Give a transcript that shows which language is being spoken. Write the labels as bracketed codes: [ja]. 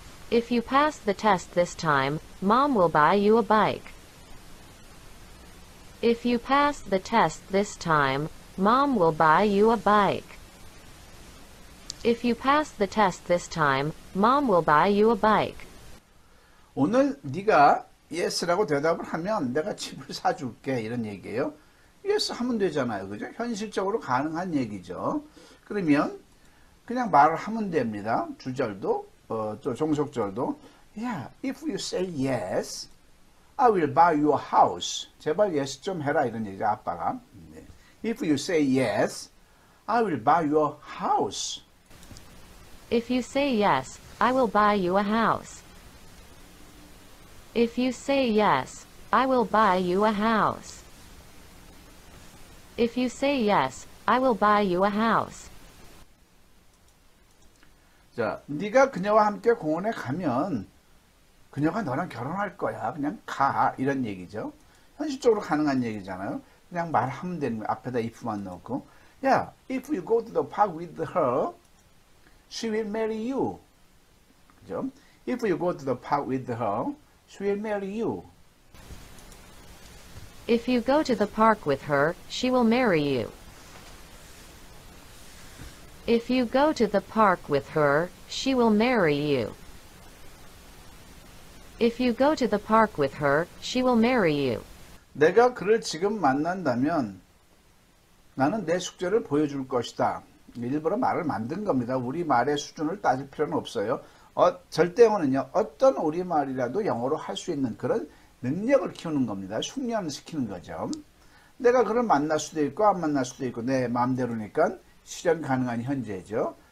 [en] If you pass the test this time, Mom will buy you a bike. If you pass the test this time, Mom will buy you a bike. If you pass the test this time, Mom will buy you a bike. [ko] 오늘 네가 yes라고 대답을 하면 내가 집을 사줄게 이런 얘기예요. yes 하면 되잖아요. 그죠? 현실적으로 가능한 얘기죠. 그러면 그냥 말을 하면 됩니다. 주절도 또 종속절도. [en] Yeah, if you say yes, I will buy you a house. [ko] 제발 yes 좀 해라 이런 얘기죠, 아빠가. [en] If you say yes, I will buy your house. If you say yes, I will buy you a house. If you say yes, I will buy you a house. If you say yes, I will buy you a house. [ko] 자, 네가 그녀와 함께 공원에 가면 그녀가 너랑 결혼할 거야. 그냥 가. 이런 얘기죠. 현실적으로 가능한 얘기잖아요. 그냥 말하면 되는 거예요. 앞에다 if만 넣고. [en] 야, if you go to the park with her, she will marry you. [ko] 그죠? [en] If you go to the park with her, she will marry you. If you go to the park with her, she will marry you. If you go to the park with her, she will marry you. If you go to the park with her, she will marry you. [ko] 내가 그를 지금 만난다면 나는 내 숙제를 보여줄 것이다. 일부러 말을 만든 겁니다. 우리 말의 수준을 따질 필요는 없어요. 절대 영어는요, 어떤 우리말이라도 영어로 할수 있는 그런 능력을 키우는 겁니다. 숙련시키는 거죠. 내가 그를 만날 수도 있고, 안 만날 수도 있고, 내 마음대로니까 실현 가능한 현재죠.